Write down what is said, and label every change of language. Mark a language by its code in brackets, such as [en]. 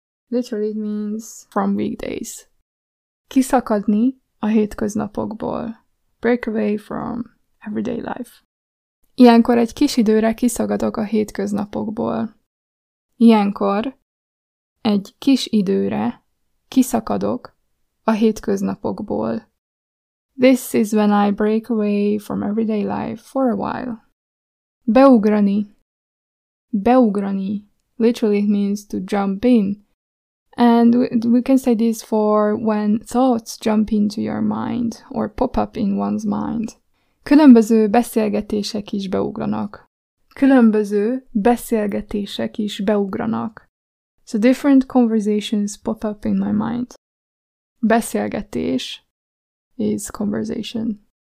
[en] Literally it means from weekdays. [hu] Kiszakadni a hétköznapokból, [en] break away from everyday life. [hu] Ilyenkor egy kis időre kiszakadok a hétköznapokból. Ilyenkor egy kis időre kiszakadok a hétköznapokból. [en] This is when I break away from everyday life for a while. Beugrani. Beugrani. Literally it means to jump in. And we can say this for when thoughts jump into your mind or pop up in one's mind. [hu] Különböző beszélgetések is beugranak. Különböző beszélgetések is beugranak. [en] So different conversations pop up in my mind. Beszélgetés is conversation.